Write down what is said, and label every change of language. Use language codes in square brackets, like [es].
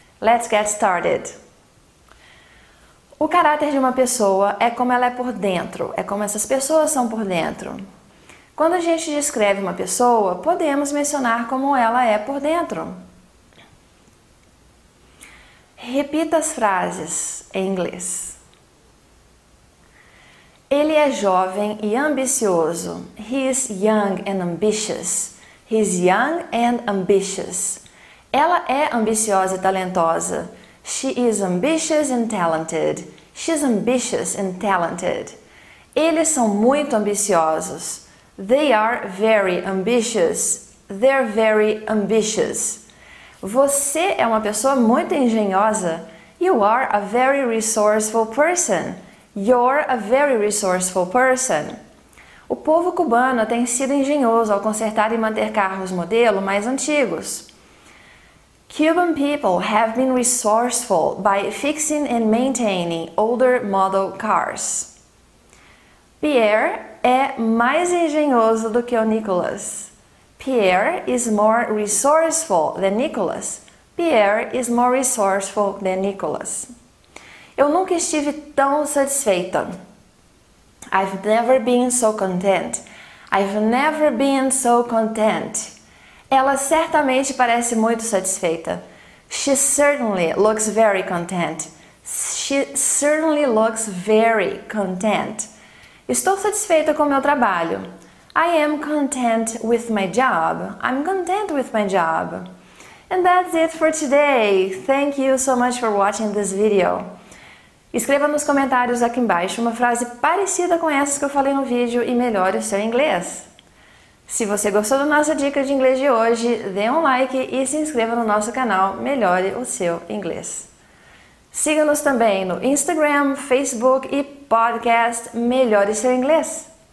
[en] Let's get started! [pt] O caráter de uma pessoa é como ela é por dentro, é como essas pessoas são por dentro. Quando a gente descreve uma pessoa, podemos mencionar como ela é por dentro. Repita as frases em inglês. Ele é jovem e ambicioso. [en] He is young and ambitious. He's young and ambitious. [pt] Ela é ambiciosa e talentosa. [en] She is ambitious and talented. She's ambitious and talented. [pt] Eles são muito ambiciosos. [en] They are very ambitious. They're very ambitious. [pt] Você é uma pessoa muito engenhosa. [en] You are a very resourceful person. You're a very resourceful person. [pt] O povo cubano tem sido engenhoso ao consertar e manter carros modelo mais antigos. [en] Cuban people have been resourceful by fixing and maintaining older model cars. [pt] Pierre é mais engenhoso do que o Nicholas. [en] Pierre is more resourceful than Nicholas. Pierre is more resourceful than Nicholas. [pt] Eu nunca estive tão satisfeita. [en] I've never been so content. I've never been so content. [pt] Ela certamente parece muito satisfeita. [en] She certainly looks very content. She certainly looks very content. [pt] Estou satisfeita com meu trabalho. [en] I am content with my job. I'm content with my job. And that's it for today. Thank you so much for watching this video. [pt] Escreva nos comentários aqui embaixo uma frase parecida com essas que eu falei no vídeo e melhore o seu inglês. Se você gostou da nossa dica de inglês de hoje, dê um like e se inscreva no nosso canal Melhore o Seu Inglês. Siga-nos também no Instagram, Facebook e podcast Melhore Seu Inglês.